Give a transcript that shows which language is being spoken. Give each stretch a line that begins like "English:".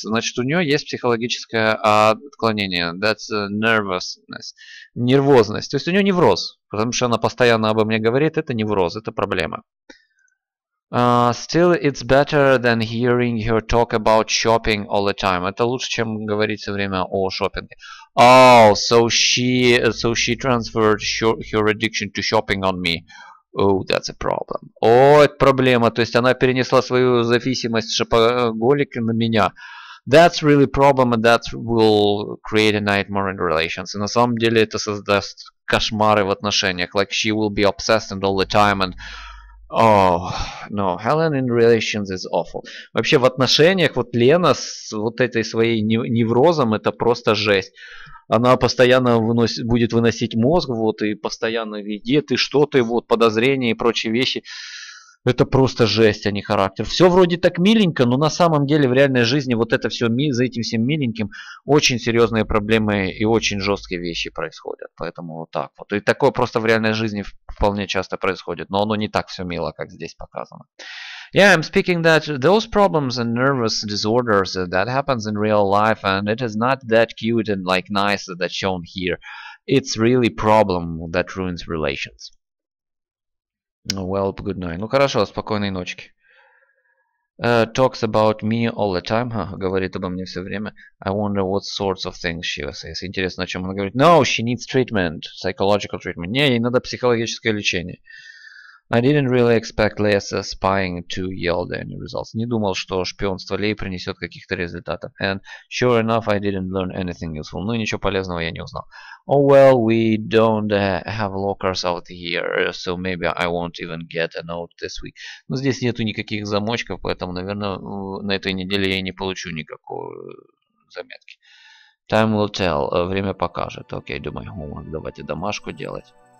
Russian: Значит, у нее есть психологическое отклонение.
English: That's nervousness.
Russian: Нервозность. То есть у нее невроз. Потому что она постоянно обо мне говорит, это невроз, это проблема.
English: Still, it's better than hearing her talk about shopping all the time.
Russian: Это лучше, чем говорить все время о шопинге.
English: Oh, so she transferred her addiction to shopping on me. Oh, that's a problem. Oh,
Russian: это проблема. То есть она перенесла свою зависимость шопоголика на меня.
English: That's really problem, and that will create a nightmare in relations.
Russian: И на самом деле это создаст кошмары в отношениях.
English: Like she will be obsessed and all the time and oh no, Helen in relations is awful.
Russian: Вообще в отношениях вот Лена с вот этой своей неврозом это просто жесть. Она постоянно будет выносить мозг, вот, и постоянно видит, и что-то, и вот, подозрения и прочие вещи. Это просто жесть, а не характер. Все вроде так миленько, но на самом деле в реальной жизни вот это все, за этим всем миленьким, очень серьезные проблемы и очень жесткие вещи происходят. Поэтому вот так вот. И такое просто в реальной жизни вполне часто происходит, но оно не так все мило, как здесь показано.
English: Yeah, I'm speaking that those problems and nervous disorders that happens in real life, and it is not that cute and like nice that shown here. It's really problem that ruins relations. Well, good night.
Russian: Ну хорошо, спокойной ночки.
English: Talks about me all the time, huh?
Russian: Говорит обо мне все время.
English: I wonder what sorts of things she says.
Russian: Интересно, о чем она говорит.
English: No, she needs treatment. Psychological treatment.
Russian: Не, ей надо психологическое лечение.
English: I didn't really expect Leia's spying to yield any results.
Russian: Не думал, что шпионство Леи принесет каких-то результатов.
English: And sure enough, I didn't learn anything useful.
Russian: Ну, ничего полезного я не узнал.
English: Oh well, we don't have lockers out here, so maybe I won't even get a note this week.
Russian: Ну, здесь нету никаких замочков, поэтому, наверное, на этой неделе я не получу никакой заметки.
English: Time will tell.
Russian: Время покажет.
English: Okay, do my homework.
Russian: Давайте домашку делать.